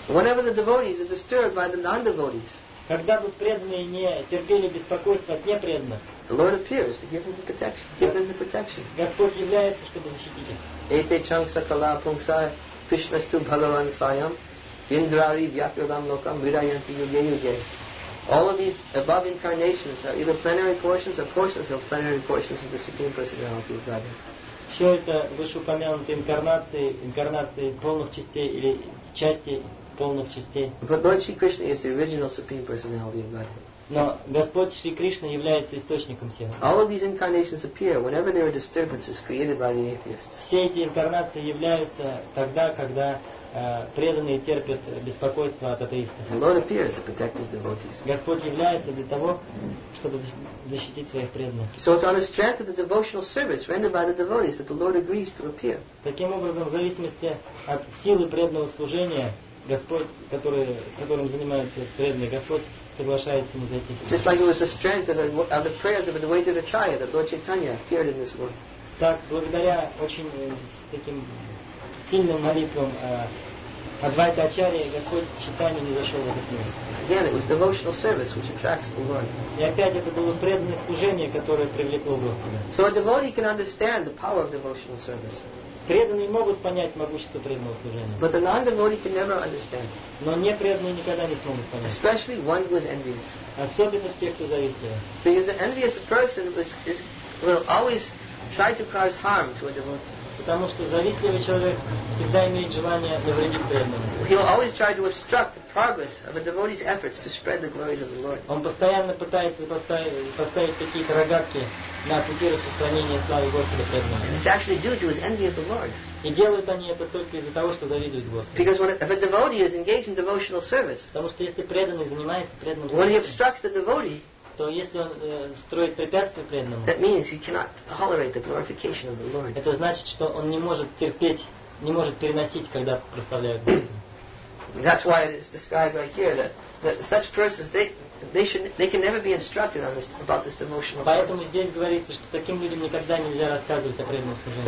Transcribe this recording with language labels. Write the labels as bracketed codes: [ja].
[en] Whenever the devotees are disturbed by the non-devotees, [ru] когда бы преданные не терпели беспокойство от непреданных, [en] the Lord appears to give them the protection. [ru] Господь является, чтобы защитить их. [sa] Эйте чангса кала пунгса, Кришнасту Бхагаван Свайам, Индрари Вьяпилам Локам Вирайанти Юге Юге. [en] All of these above incarnations are either plenary portions or portions of plenary portions of the Supreme Personality of Godhead. [ru] Все это вышеупомянутые инкарнации полных частей или части полных частей. [en] But Lord Shri Krishna is the original Supreme Personality of Godhead. [ru] Но Господь Шри Кришна является источником всего. [en] All of these incarnations appear whenever there are disturbances created by the atheists. [ru] Все эти инкарнации являются тогда, когда преданные терпят беспокойство от атеистов. [en] Lord appears to protect his devotees. [ru] Господь является для того, чтобы защитить своих преданных. [en] So it's on the strength of the devotional service rendered by the devotees that the Lord agrees to appear. [ru] Таким образом, в зависимости от силы преданного служения, Господь, которым занимаются преданные, Господь соглашается на зайти. [en] Just like it was the strength of the prayers of a devotee Acharya that Lord Chaitanya appeared in this world. [ru] Так, благодаря очень таким сильным молитвам Адвайта Ачарьи, Господь Чайтанья не зашел в этот мир. [en] Again, it was devotional service which attracts the Lord. [ru] И опять это было преданное служение, которое привлекло Господа. [en] So a devotee can understand the power of devotional service. [ru] Преданные могут понять могущество преданного служения. [en] But the non-devotee can never understand. [ru] Но непреданные никогда не смогут понять. [en] Especially one who is envious. [ru] Особенно те, кто завистлив. [en] Because an envious person will always try to cause harm to a devotee. [ru] Потому что завистливый человек всегда имеет желание навредить преданному. [en] He will always try to obstruct the progress of a devotee's efforts to spread the glories of the Lord. [ru] Он постоянно пытается поставить какие-то рогатки на пути распространения славы Господа преданному. [en] And it's actually due to his envy of the Lord. [ru] И делают они это только из-за того, что завидуют Господу. [en] Because if a devotee is engaged in devotional service, [ru] потому что если преданный занимается преданным служением, [en] when he obstructs the devotee, [ru] то если он строит препятствия преданному, [en] that means he cannot tolerate the glorification of the Lord. [ru] Это значит, что он не может терпеть, не может переносить, когда прославляют Господа. [en] That's why it is described right here that such persons they can never be instructed on this about this devotional service. [ru] Поэтому здесь говорится, что таким людям никогда нельзя рассказывать о преданном служении.